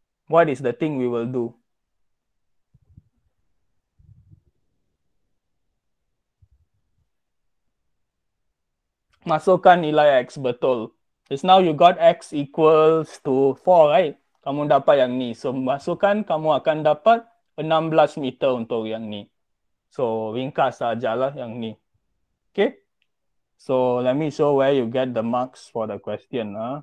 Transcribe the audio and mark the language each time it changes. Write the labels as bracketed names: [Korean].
[English] What is the thing we will do? [Malay] Masukkan nilai X, betul. [English] Just now you got X equals to 4, right? [Malay] Kamu dapat yang ni. So, masukkan, kamu akan dapat 16 meter untuk yang ni. So, ringkas sajalah yang ni. Okay? [English] So, let me show where you get the marks for the question.